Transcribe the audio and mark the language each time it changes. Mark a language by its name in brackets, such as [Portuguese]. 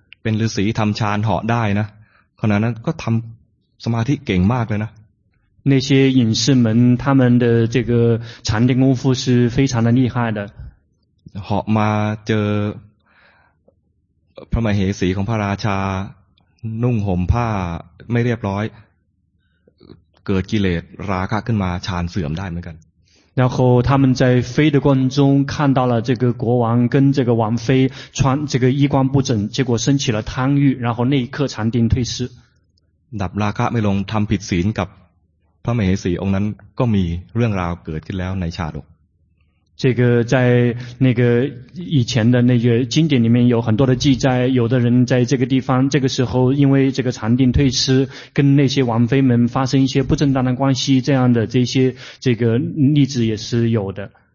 [Thai] เป็นฤาษีทำฌานเหาะได้นะขณะนั้นก็ทำสมาธิเก่งมากเลยนะ [Chinese] 那些隐士们他们的这个禅定功夫是非常的厉害的 [Thai] เหาะมาเจอพระมเหสีของพระราชานุ่งห่มผ้าไม่เรียบร้อยเกิดกิเลสราคะขึ้นมาฌานเสื่อมได้เหมือนกัน [Chinese] 然后他们在飞的过程中看到了这个国王跟这个王妃穿这个衣冠不整，结果升起了贪欲，然后那一刻禅定退失。 [Thai] ดับราคะไม่ลงทำผิดศีลกับพระมเหสีองค์นั้นก็มีเรื่องราวเกิดขึ้นแล้วในชาดก。 [Chinese] 这个在那个以前的那个经典里面有很多的记载，有的人在这个地方这个时候因为这个禅定退失，跟那些王妃们发生一些不正当的关系，这样的这些这个例子也是有的。